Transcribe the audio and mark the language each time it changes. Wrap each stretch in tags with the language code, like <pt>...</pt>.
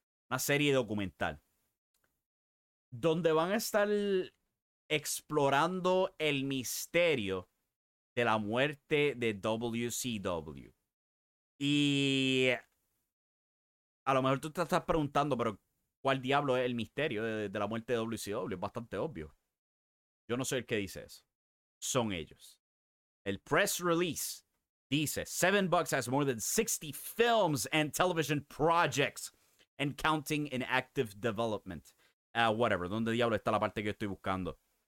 <es>Una serie documental. Donde van a estar explorando el misterio de la muerte de WCW. Y a lo mejor tú te estás preguntando, pero ¿cuál diablo es el misterio de la muerte de WCW? Es bastante obvio. Yo no soy el que dice eso. Son ellos. El press release dice,</es> <en>Seven Bucks has more than 60 films and television projects and counting in active development. Whatever.</en> <es>¿Dónde diablo está la parte que estoy buscando?</es>